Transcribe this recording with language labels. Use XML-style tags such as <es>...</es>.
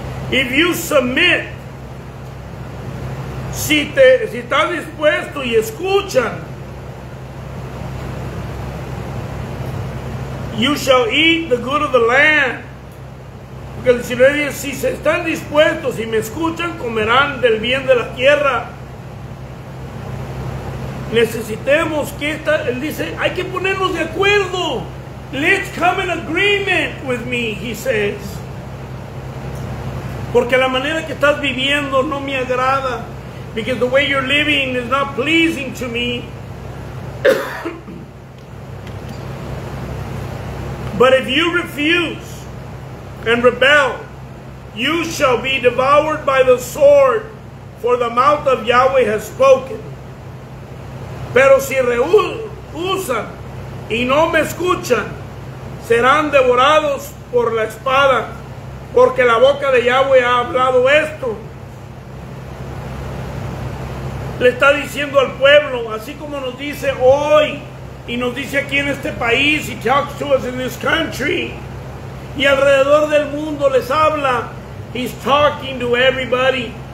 <en>If you submit,</en> <es>si estás dispuesto y escuchan,</es> <en>you shall eat the good of the land.</en> <es>Porque el Señor dice, si se están dispuestos y me escuchan, comerán del bien de la tierra. Necesitemos que esta, él dice, hay que ponernos de acuerdo.</es> <en>Let's come in agreement with me, he says.</en> <es>Porque la manera que estás viviendo no me agrada.</es> <en>Because the way you're living is not pleasing to me. But if you refuse and rebel, you shall be devoured by the sword, for the mouth of Yahweh has spoken.</en> <es>Pero si rehusan y no me escuchan, serán devorados por la espada, porque la boca de Yahweh ha hablado esto. Le está diciendo al pueblo, así como nos dice hoy, y nos dice aquí en este país,</es> <en>he talks to us in this country,</en> <es>y alrededor del mundo les habla,</es> <en>he's talking to everybody.</en>